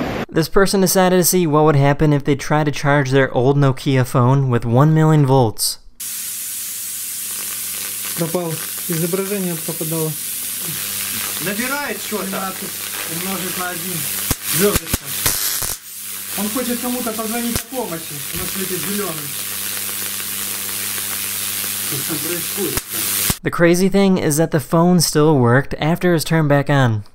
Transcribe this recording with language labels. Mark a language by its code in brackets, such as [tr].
[en] This person decided to see what would happen if they tried to charge their old Nokia phone with 1 million volts. [ru] Пропал. Изображение пропадало. Набирает что-то. Умножить на 1. Звёздочка. Он хочет кому-то позвонить о помощи. У нас светит зелёный. [en] The crazy thing is that the phone still worked after it was turned back on.